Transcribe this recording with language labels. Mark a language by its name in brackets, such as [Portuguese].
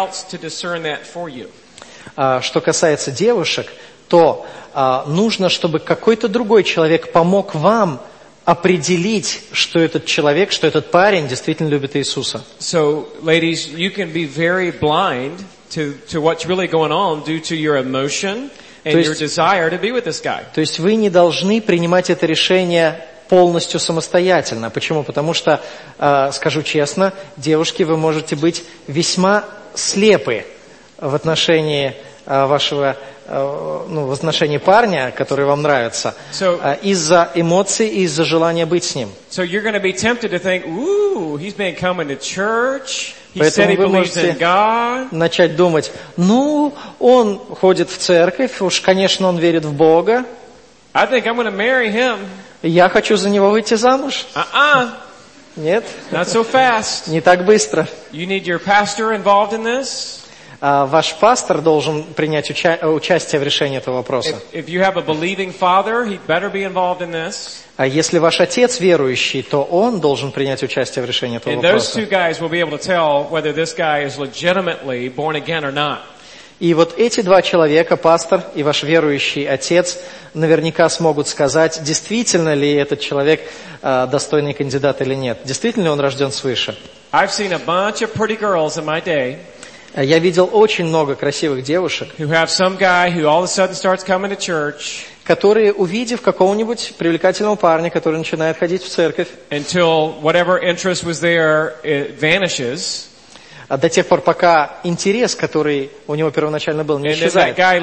[Russian] Что касается девушек, то нужно, чтобы какой-то другой человек помог вам определить, что этот человек, что этот парень действительно любит Иисуса. [English] So, ladies, you can be very blind to what's really going on due to your emotion and your desire to be with this guy. [Russian] То есть вы не должны принимать это решение полностью самостоятельно. Почему? Потому что, скажу честно, девушки, вы можете быть весьма слепы в отношении вашего, ну, в отношении парня, который вам нравится, [English] so, [Russian] из-за эмоций и из-за желания быть с ним. [English] So you're going to be tempted to think, ooh, he's been coming to church. He said he believes in God. [Russian] Начать думать, ну, он ходит в церковь, уж, конечно, он верит в Бога. [English] I think I'm going to marry him. [Russian] Я хочу за него выйти замуж. Uh-uh. Нет. [English] Not so fast. [Russian] Не так быстро. [English] You need your pastor involved in this. [Russian] Ваш пастор должен принять участие в решении этого вопроса. [English] If you have a believing father, he better be involved in this. [Russian] Если ваш отец верующий, то он должен принять участие в решении этого [English] and [Russian] вопроса. [English] Those two guys will be able to tell whether this guy is legitimately born again or not. [Russian] И вот эти два человека, пастор и ваш верующий отец, наверняка смогут сказать, действительно ли этот человек достойный кандидат или нет. Действительно ли он рожден свыше? [English] I've seen a bunch of pretty girls in my day. [Russian] Я видел очень много красивых девушек, которые, увидев какого-нибудь привлекательного парня, который начинает ходить в церковь, до тех пор, пока интерес, который у него первоначально был, не исчезает.